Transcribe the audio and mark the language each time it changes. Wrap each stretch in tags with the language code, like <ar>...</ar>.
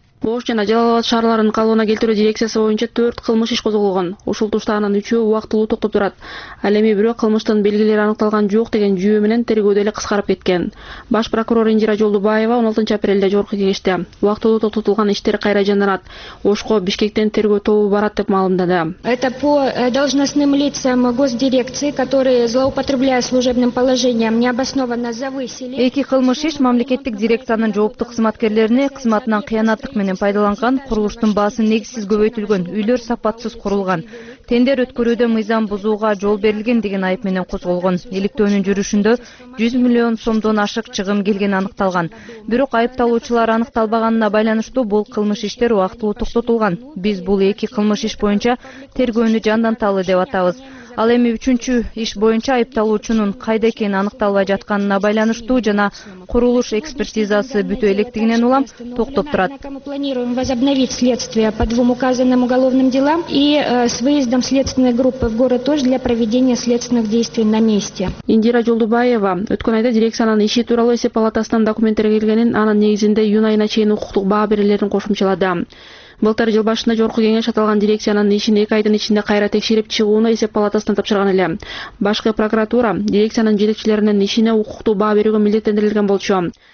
<ky>Ош жана Жалабат шаарларын калыбына келтирүү дирекциясы боюнча 4 кылмыш иш козголгон. Ушул тушта анын 3 убактылуу токтоп турат. Ал эми бирок кылмыштын белгилери аныкталган жок деген жүйө менен тергөөдө эле кыскарып кеткен. Баш прокурор Индира Жолдубаева 16-апрелде жогорку кеңеште убактылуу токтотулган иштер кайра жанданат. Ошко Бишкектен тергөө тобу барат деп маалымдады.</ky> <ru>Это по должностным лицам госдирекции, которые злоупотребляя служебным положением, необоснованно завысили.</ru> <ky>2 кылмыш иш мамлекеттик дирекциянын жооптуу кызматкерлерине кызматынан кыянаттык менен пайдаланган, курулуштун баасы негизсиз көбөйтүлгөн, үйлөр сапатсыз курулган, тендер өткөрүүдө мыйзам бузууга жол берилген деген айып менен козголгон. Иликтөөнүн жүрүшүндө 100 миллион сомдон ашык чыгым келгени аныкталган. Бирок айыпталуучулар аныкталбаганына байланыштуу бул кылмыш иштер убактылуу токтотулган. Биз бул 2 кылмыш иш боюнча тергөөнү жанданталы деп атабыз. Ал эми 3-үчүнчү иш боюнча айыпталуучунун кайда экени аныкталбай жатканына байланыштуу жана курулуш экспертизасы бүтө электигинен улам токтоп турат.</ky> <ru>Мы планируем возобновить следствие по двум указанным уголовным делам и с выездом следственной группы в город Ош для проведения следственных действий на месте.</ru> <ky>Индира Жолдубаева өткөн айда дирекциянын иши тууралуу эсеп палатасынан документтер келгенин, анын негизинде июнь айына чейин укуктук баа берилерин кошумчалады. Былтыр жыл башында жогорку кеңеш аталган дирекциянын ишин 2 айдын ичинде кайра текшерип чыгууну эсеп палатасына тапшырган эле. Башкы прокуратура дирекциянын жетекчилеринин ишине укуктуу баа берүүгө милдеттендирилген болчу.</ky>